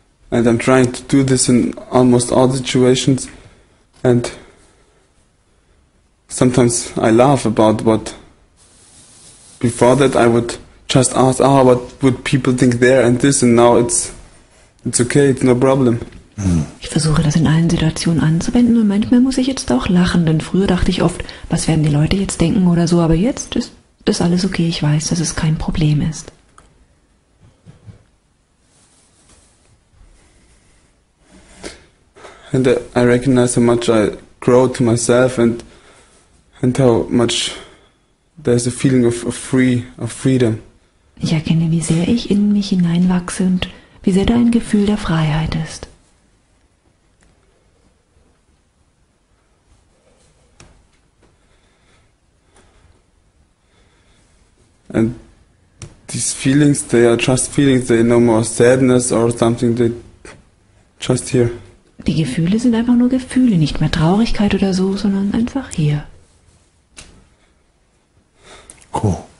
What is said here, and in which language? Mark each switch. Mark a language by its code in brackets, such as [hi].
[en] And I'm trying to do this in almost all situations, and sometimes I laugh about what before that I would just ask, "Oh, what would people think there and this?" And now it's okay, it's no problem. [de] Ich versuche das in allen Situationen anzuwenden, und manchmal muss ich jetzt auch lachen, denn früher dachte ich oft, was werden die Leute jetzt denken oder so, aber jetzt ist alles okay, ich weiß, dass es kein Problem ist. [en] And I recognize how much I grow to myself and how much there's a feeling of freedom. [de] Ich erkenne, wie sehr ich in mich hineinwachse und wie sehr da ein Gefühl der Freiheit ist. [en] And these feelings, they are just feelings, they no more sadness or something, they just here. [de] Die Gefühle sind einfach nur Gefühle, nicht mehr Traurigkeit oder so, sondern einfach hier. [en] Cool.